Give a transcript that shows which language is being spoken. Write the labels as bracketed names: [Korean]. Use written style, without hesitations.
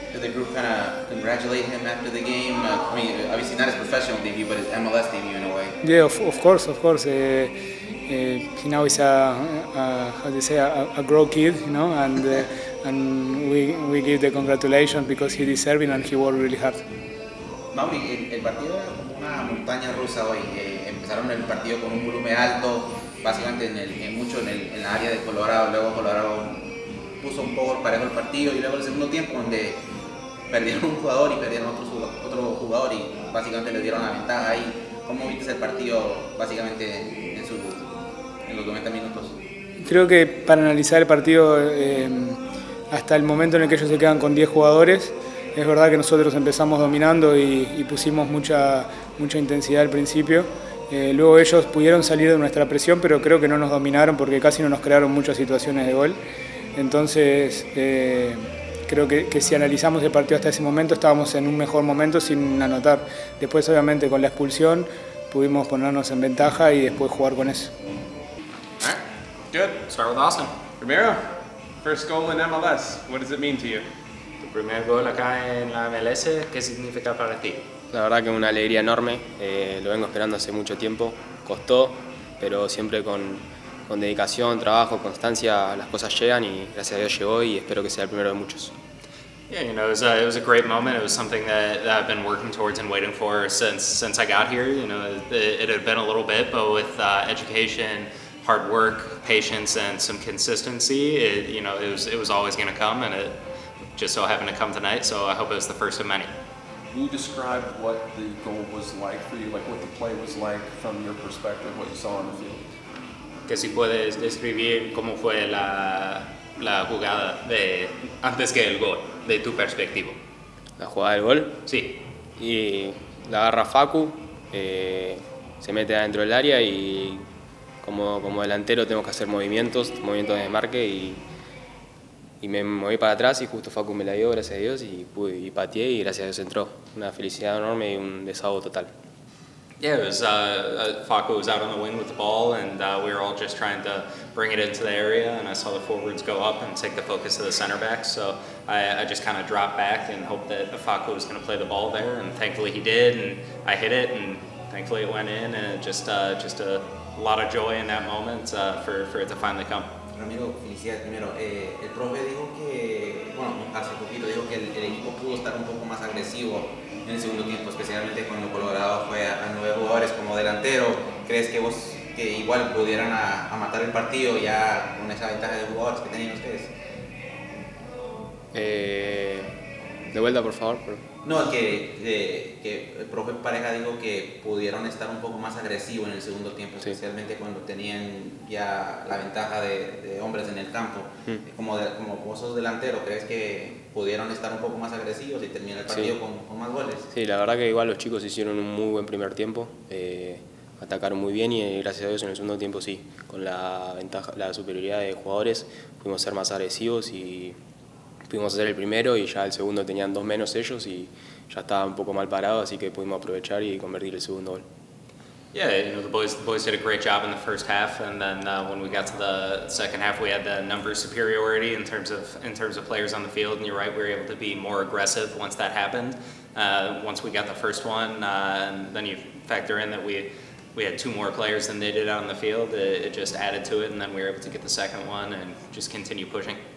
[English] Did the group kind of congratulate him after the game? I mean, obviously not his professional debut, but his MLS debut in a way. Yeah, of course. He now is a grow kid, you know, and and we give the congratulations because he deserves it and he worked really hard. [Spanish] Mauri, el partido era como una montaña rusa hoy. Empezaron el partido con un volumen alto, básicamente en la área de Colorado. Luego Colorado puso un poco parejo el partido y luego el segundo tiempo donde perdieron un jugador y perdieron otro jugador y básicamente le dieron la ventaja ahí. ¿Cómo viste el partido básicamente en los 90 minutos? Creo que para analizar el partido hasta el momento en el que ellos se quedan con 10 jugadores, es verdad que nosotros empezamos dominando y pusimos mucha intensidad al principio. Luego ellos pudieron salir de nuestra presión, pero creo que no nos dominaron porque casi no nos crearon muchas situaciones de gol. Entonces, creo que si analizamos el partido hasta ese momento, estábamos en un mejor momento sin anotar. Después, obviamente, con la expulsión, pudimos ponernos en ventaja y después jugar con eso. [English] All right. Good. Start with Austin. Ramiro. First goal in MLS, what does it mean to you? [Spanish] Tu primer gol acá en la MLS, ¿qué significa para ti? La verdad que es una alegría enorme, lo vengo esperando hace mucho tiempo, costó, pero siempre con dedicación, trabajo, constancia, las cosas llegan y gracias a Dios llegó y espero que sea el primero de muchos. [English] Yeah, you know, it was a great moment. It was something that I've been working towards and waiting for since I got here. You know, it had been a little bit, but with education, hard work, patience, and some consistency, it was always going to come, and it just so happened to come tonight, so I hope it was the first of many. Can you describe what the goal was like for you, like what the play was like from your perspective, what you saw on the field? [Spanish] Que si puedes describir cómo fue la jugada de antes que el gol, de tu perspectivo. La jugada del gol? Sí. Y la agarra Facu, se mete adentro del área y como delantero tenemos que hacer movimientos de marque y me moví para atrás y justo Facu me la dio, gracias a Dios, y pateé y gracias a Dios entró. Una felicidad enorme y un desahogo total. [English] Yeah, it was Facu was out on the wing with the ball and we were all just trying to bring it into the area and I saw the forwards go up and take the focus of the center back, so I just kind of dropped back and hoped that Facu was going to play the ball there and thankfully he did and I hit it and thankfully it went in and just a lot of joy in that moment for it to finally come. [Spanish] Ramiro, felicidades primero. El profe dijo que, hace poquito dijo que el equipo pudo estar un poco más agresivo en el segundo tiempo, especialmente cuando Colorado fue a 9 jugadores como delantero. ¿Crees que vos que igual pudieran a matar el partido ya con esa ventaja de jugadores que tenían ustedes? De vuelta, por favor. No, que el profe Pareja dijo que pudieron estar un poco más agresivos en el segundo tiempo, sí. Especialmente cuando tenían ya la ventaja de hombres en el campo. Como vos sos delantero, ¿crees que pudieron estar un poco más agresivos y terminar el partido con más goles? Sí, la verdad que igual los chicos hicieron un muy buen primer tiempo, atacaron muy bien y gracias a Dios en el segundo tiempo sí, con la ventaja, la superioridad de jugadores, pudimos ser más agresivos y pudimos hacer el primero y ya el segundo tenían dos menos ellos y ya estaba un poco mal parado, así que pudimos aprovechar y convertir el segundo gol. [English] Yeah, you know, the boys did a great job in the first half, and then when we got to the second half, we had the number superiority in terms of players on the field. And you're right, we were able to be more aggressive once that happened. Once we got the first one, and then you factor in that we had two more players than they did on the field, it just added to it, and then we were able to get the second one and just continue pushing.